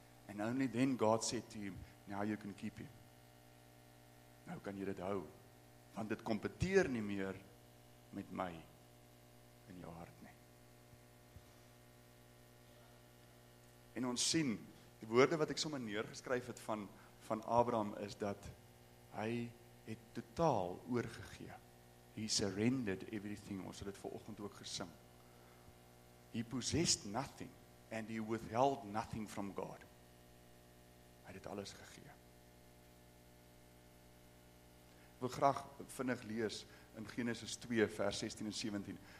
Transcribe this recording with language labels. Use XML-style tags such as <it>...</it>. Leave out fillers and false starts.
<en>And only then God said to him, now you can keep him.</en> <af>Nou kan jy dit hou, want dit kompeteer nie meer met my in jou hart nie. En ons sien, die woorde wat ek sommer neergeskryf het van Abraham is dat hy het totaal oorgegee.</af> <en>He surrendered everything,</en> <af>ons het dit vanoggend ook gesing.</af> <en>He possessed nothing and he withheld nothing from God.</en> <af>Hy het alles gegee. Ek wil graag vinnig lees in Genesis 2 vers 16 en 17.</af>